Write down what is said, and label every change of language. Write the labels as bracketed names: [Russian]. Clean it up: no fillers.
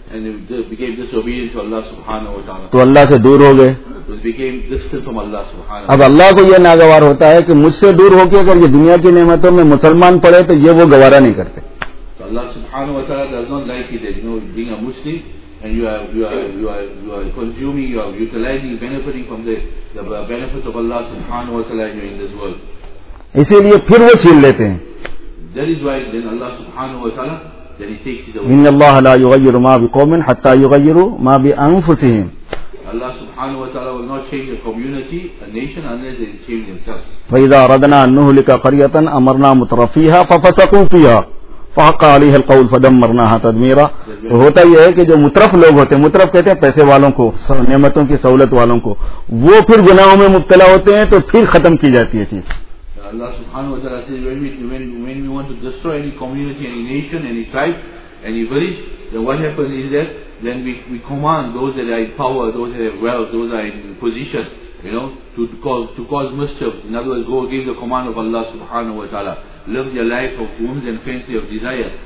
[English] And we became disobedient to Allah subhanahu wa ta'ala. [Urdu] تو اللہ سے دور ہو گئے. [English] So we became distant from Allah subhanahu wa ta'ala. [Urdu] اب اللہ کو یہ ناگوار ہوتا ہے کہ مجھ سے دور ہو کے اگر یہ دنیا کی نعمتوں میں مسلمان پڑے تو یہ وہ گوارا نہیں کرتے. [English] So Allah subhanahu wa ta'ala does not like it that, you know, being a Muslim, and you are consuming, you are utilizing, benefiting from the benefits of Allah subhanahu wa ta'ala, you are in this world. [Urdu] इसीलिए फिर वो छीन लेते हैं. [English] That is why then Allah subhanahu wa ta'ala, then he takes it away. [Arabic] إِنَّ اللَّهَ لَا يُغَيِّرُ مَا بِقَوْمٍ حَتَّى يُغَيِّرُوا مَا بِأَنفُسِهِمْ. [English] Allah subhanahu wa ta'ala will not change a community, a nation, unless they change themselves. [Arabic] فَإِذَا أَرَدْنَا أَن نُهْلِكَ قَرْيَةً أَمَرْنَا مُتْرَفِيهَا فَفَسَقُوا فِيهَا فَحَقَّ عَلَيْهَا الْقَوْلُ فَدَمَّرْنَاهَا تَدْمِيرًا. [Urdu] ہوتا یہ ہے کہ جو مترف لوگ ہوتے ہیں, مترف کہتے ہیں پیسے والوں کو, نعمتوں کی سہولت والوں کو, وہ پھر گناہوں میں مبتلا ہوتے ہیں تو پھر ختم کی جاتی ہے چیز. [English] Allah subhanahu wa ta'ala says, when we want to destroy any community, any nation, any tribe, any village, then what happens is that then we command those that are in power, those that have wealth, those that are in position, you know, to cause mischief. In other words, go give the command of Allah subhanahu wa ta'ala. Live their life of whims and fancy of desire.